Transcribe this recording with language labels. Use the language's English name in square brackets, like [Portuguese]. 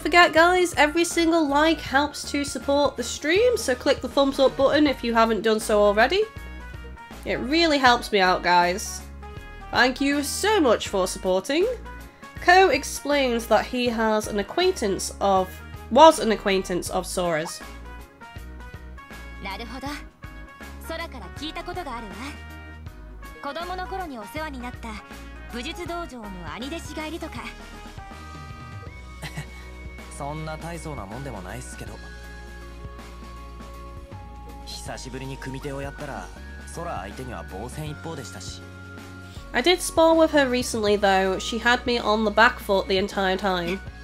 [English] forget guys, every single like helps to support the stream, so click the thumbs up button if you haven't done so already. It really helps me out, guys. Thank you so much for supporting. Kou explains that he has an acquaintance of... was an acquaintance of Sora's. [Japanese] なるほど。空から聞いたことがあるわ。子供の頃にお世話になった武術道場の兄弟子がいるとか。そんな大層なもんでもないっすけど。久しぶりに組手をやったら、空相手には防戦一方でしたし。 [English] I did spar with her recently though, she had me on the back foot the entire time.